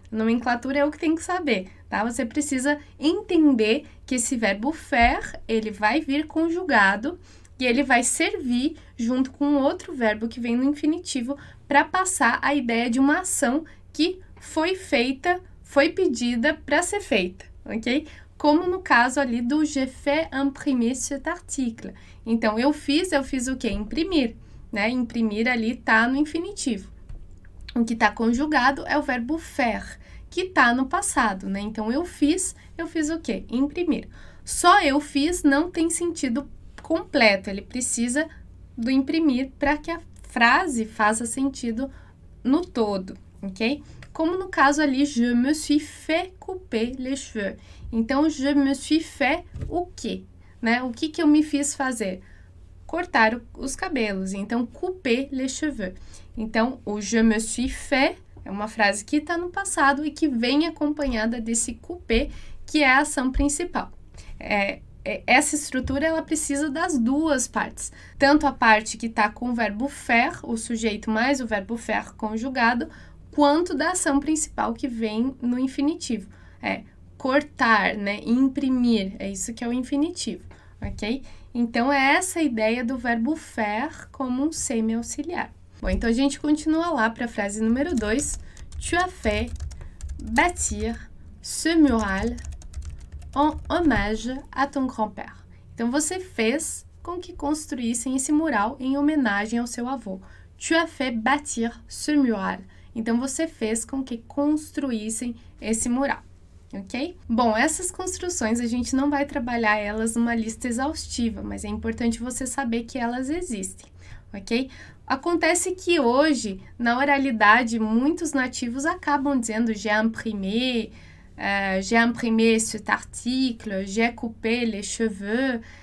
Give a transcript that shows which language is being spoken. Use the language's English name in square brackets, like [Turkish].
[Portuguese] Nomenclatura é o que tem que saber, tá? Você precisa entender que esse verbo faire, ele vai vir conjugado e ele vai servir junto com outro verbo que vem no infinitivo para passar a ideia de uma ação que foi feita, foi pedida para ser feita, ok? Como no caso ali do [French] j'ai fait imprimer cet article. [Portuguese] Então, eu fiz o quê? Imprimir, né? Imprimir ali está no infinitivo. O que está conjugado é o verbo faire, que está no passado, né? Então, eu fiz o quê? Imprimir. Só eu fiz não tem sentido completo, ele precisa do imprimir para que a frase faça sentido no todo, ok? Como no caso ali, [French] je me suis fait couper les cheveux. [Portuguese] Então, [French] je me suis fait [Portuguese] o quê? Né? O que que eu me fiz fazer? Cortar os cabelos. Então, [French] couper les cheveux. [Portuguese] Então, o [French] je me suis fait [Portuguese] é uma frase que está no passado e que vem acompanhada desse couper, que é a ação principal. Essa estrutura, ela precisa das duas partes. Tanto a parte que está com o verbo faire, o sujeito mais o verbo faire conjugado, quanto da ação principal que vem no infinitivo. É cortar, né? Imprimir, é isso que é o infinitivo, ok? Então, é essa a ideia do verbo faire como um semi-auxiliar. Bom, então a gente continua lá para a frase número 2. [French] Tu as fait bâtir ce mural en hommage à ton grand-père. [Portuguese] Então, você fez com que construíssem esse mural em homenagem ao seu avô. [French] Tu as fait bâtir ce mural. [Portuguese] Então, você fez com que construíssem esse mural, ok? Bom, essas construções, a gente não vai trabalhar elas numa lista exaustiva, mas é importante você saber que elas existem. ok? Acontece que hoje, na oralidade, muitos nativos acabam dizendo [French] j'ai imprimé cet article, j'ai coupé les cheveux.